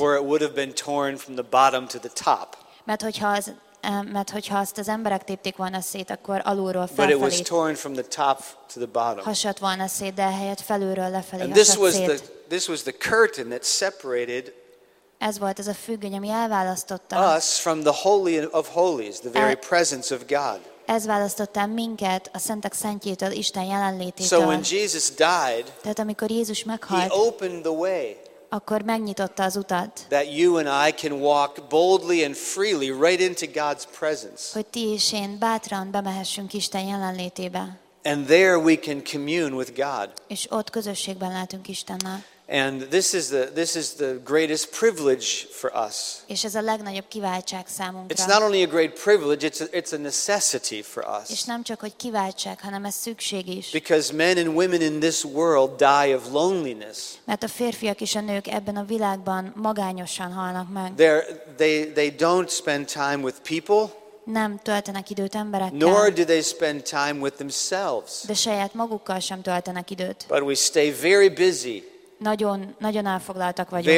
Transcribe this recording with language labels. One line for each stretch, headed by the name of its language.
English: Or it would have been torn from the bottom to the top.
Hungarian: Mert hogyha azt az emberek tépték volna szét, akkor alulról felfelé.
English: But it was torn from the top to the bottom.
Hungarian: Hasadt volna szét, de helyett felülről lefelé
English: and
Hungarian: hasadt
English: this was
Hungarian: szét.
English: This was the curtain that separated
Hungarian: ez volt ez a függöny, ami elválasztotta
English: us from the Holy of Holies, the very presence of God.
Hungarian: Ez választotta minket a Szentek Szentjétől, Isten jelenlététől.
English: So when Jesus died,
Hungarian: tehát amikor Jézus meghalt,
English: he opened the way,
Hungarian: akkor megnyitotta az utat,
English: that you and I can walk boldly and freely right into God's presence.
Hungarian: Hogy ti és én bátran bemehessünk Isten jelenlétébe.
English: And there we can commune with God.
Hungarian: És ott közösségben lehetünk Istennel.
English: And this is the greatest privilege for us.
Hungarian: És ez a legnagyobb kiváltság számunkra.
English: It's not only a great privilege, it's a necessity for us.
Hungarian: És nem csak hogy kiváltság, hanem ez szükség is.
English: Because men and women in this world die of loneliness.
Hungarian: Mert a férfiak és a nők ebben a világban magányosan halnak meg.
English: They don't spend time with people.
Hungarian: Nem töltenek időt emberekkel.
English: Nor do they spend time with themselves.
Hungarian: De saját magukkal sem töltenek időt.
English: But we stay very busy.
Hungarian: Nagyon, nagyon elfoglaltak vagyunk.